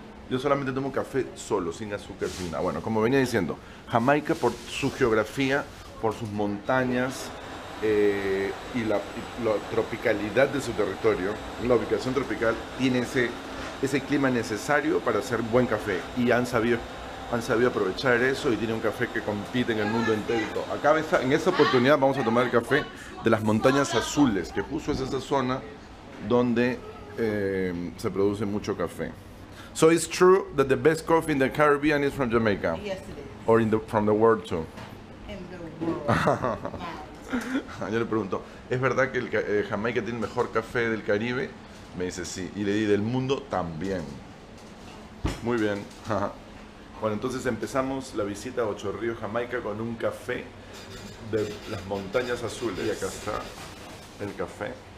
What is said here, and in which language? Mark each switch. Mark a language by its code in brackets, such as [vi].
[es] Yo solamente tomo café solo, sin azúcar, sin nada. Bueno, como venía diciendo, Jamaica, por su geografía, por sus montañas y la tropicalidad de su territorio, la ubicación tropical, tiene ese clima necesario para hacer buen café. Y han sabido aprovechar eso, y tiene un café que compite en el mundo entero. Acá en esta oportunidad vamos a tomar el café de las Montañas Azules, que justo es esa zona donde se produce mucho café. [en] So it's true that the best coffee in the Caribbean is from Jamaica. Yes, it is. Or from the world too. In the world. [es] Yo le pregunto, ¿es verdad que Jamaica tiene el mejor café del Caribe? Me dice sí. Y le di del mundo también. Muy bien. Bueno, entonces empezamos la visita a Ocho Ríos, Jamaica, con un café de las Montañas Azules. Y acá está el café.